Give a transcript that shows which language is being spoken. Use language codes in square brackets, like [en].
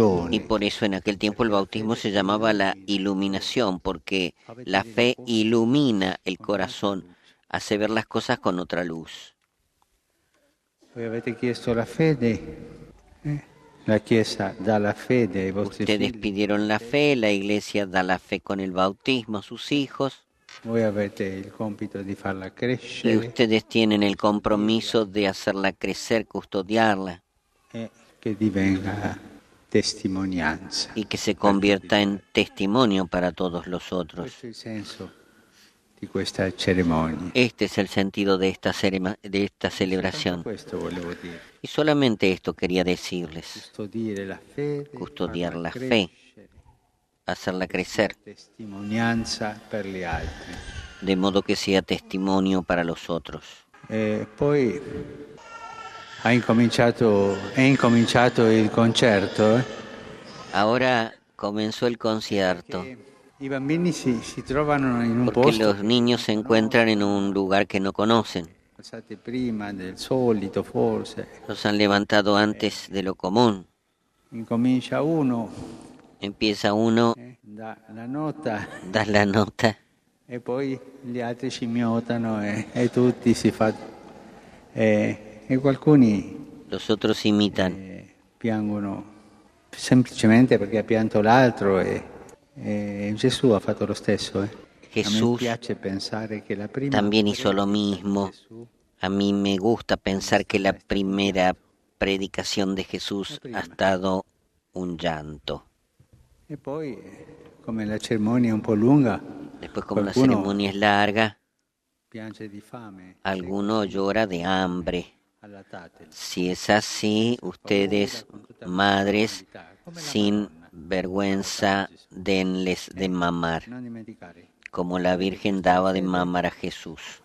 [es] Y por eso en aquel tiempo el bautismo se llamaba la iluminación, porque la fe ilumina el corazón, hace ver las cosas con otra luz. [it] Voi avete chiesto la fede. La Chiesa da la fede ai vostri figli. [es] Ustedes pidieron la fe, la Iglesia da la fe con el bautismo a sus hijos. [it] Voi avete il compito di farla crescere. [es] Y ustedes tienen el compromiso de hacerla crecer, custodiarla. [it] E che divenga testimonianza. [es] Y que se convierta en testimonio para todos los otros. [it] Questo è il senso di questa cerimonia. [es] Este es el sentido de esta celebración. [it] Questo volevo dire. [es] Y solamente esto quería decirles. [it] Custodire la fede, [es] custodiar la fe, hacerla crecer. [it] Testimonianza per gli altri. [es] De modo que sea testimonio para los otros. [it] Poi è incominciato il concerto. [es] Ahora comenzó el concierto. [it] I bambini si trovano in un posto. [es] Los niños se encuentran en un lugar que no conocen. [it] Passate prima del solito, forse. [es] Los han levantado antes de lo común. [it] Incomincia uno. [es] Empieza uno. [it] Da la nota. [es] Da la nota. [it] E poi gli altri scimmiotano e tutti si fa. E alcuni. [es] Los otros imitan. [it] Piangono. Semplicemente perché ha pianto l'altro e Gesù ha fatto lo stesso. [es] Jesús [it] a me piace pensare che la prima [es] también hizo lo mismo. A mí me gusta pensar que la primera predicación de Jesús ha estado un llanto. [it] E poi, come la cerimonia è un po' lunga, [es] después como la ceremonia es larga, [it] piange di fame, [es] alguno sí. Llora de hambre. Si es así, ustedes, madres, sin vergüenza, denles de mamar, como la Virgen daba de mamar a Jesús.